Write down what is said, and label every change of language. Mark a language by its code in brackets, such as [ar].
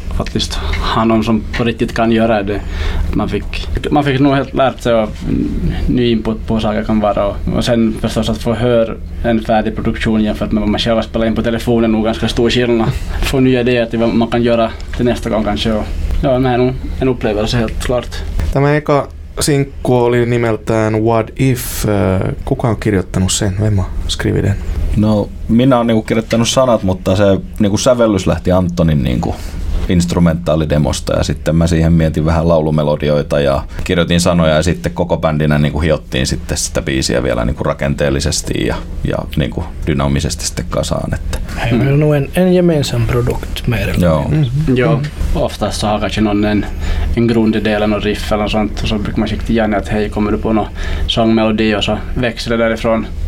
[sv] Faktiskt ha någon som på riktigt kan göra det. Man fick nog helt lärt sig och ny input på saker kan vara. Och sen förstås att få höra en färdig produktion jämfört med vad man själva spelar in på telefonen nog ganska stor skillnad. Få nya idéer till vad man kan göra till nästa gång kanske. Och, ja, det är nog en upplevelse helt klart. [fi] Tämä eka sinkku oli nimeltään What If. Kuka on kirjoittanut sen? [sv] Vemma skrivi den? [fi] No, minä olen niinku kirjoittanut sanat, mutta se niinku sävellys lähti Antonin niinku instrumentaalidemosta ja sitten mä siihen mietin vähän laulumelodioita ja kirjoitin sanoja ja sitten koko bändinä niin kuin hiottiin sitten sitä biisiä vielä niin kuin rakenteellisesti ja niin kuin dynaamisesti sitten kasaan. Että. Meillä on [sv] en gemensam produkt [fi] meidän. Joo. Joo. [sv] Oftast så har kanske någon en grunddel eller riff eller något sånt och så brukar man skicka Janne att hej, kommer du på någon sångmelodi och så växer det därifrån.